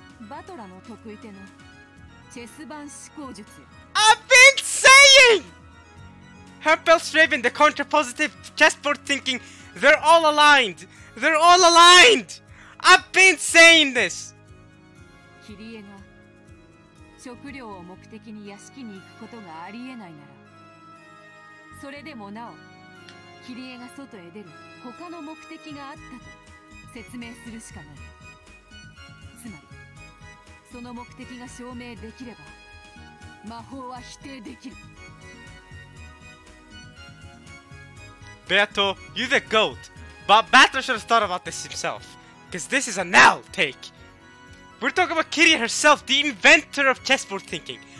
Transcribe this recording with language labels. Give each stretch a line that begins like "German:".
Japanese: バトラの得意手のチェス版思考術。
English: I've been saying! Herpels Raven, the contrapositive chessboard thinking, they're all aligned! They're all aligned! I've been saying this!
Japanese: Kirie-ga, 食料を目的に屋敷に行くことがありえないなら, それでもなお, Kirie-ga外へ出る, 他の目的があったと説明するしかない。つまり, その目的が証明できれば, 魔法は否定できる。
English: Beato, you're the GOAT! But Battle should have thought about this himself. Because this is a NOW take. We're talking about Kyrie herself, the inventor of chessboard thinking.